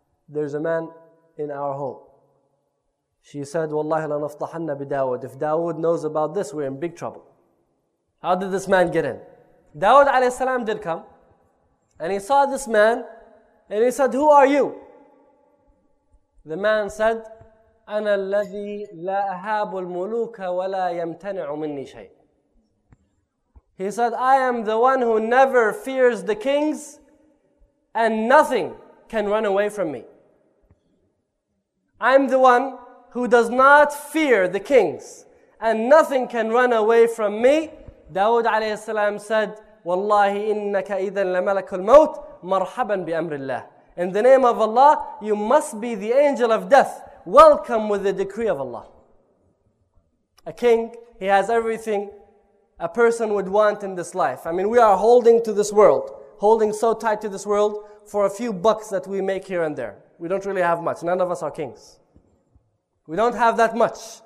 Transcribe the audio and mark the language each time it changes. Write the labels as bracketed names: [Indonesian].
[English] There's a man in our home. She said, Wallahi la naftahanna bi Dawood. If Dawood knows about this, we're in big trouble. How did this man get in? Dawood alayhi salam did come, and he saw this man, and he said, Who are you? The man said, [Arabic] أنا الذي لا أهاب الملوك ولا يمتنع مني شيء. [English] He said, I am the one who never fears the kings and nothing can run away from me. I'm the one who does not fear the kings and nothing can run away from me. [Arabic] Dawood عليه السلام said, والله إنك إذا لملك الموت مرحبا بأمر الله. [English] In the name of Allah, you must be the angel of death. Welcome with the decree of Allah. A king, he has everything a person would want in this life. I mean, we are holding to this world, holding so tight to this world for a few bucks that we make here and there. We don't really have much. None of us are kings. We don't have that much.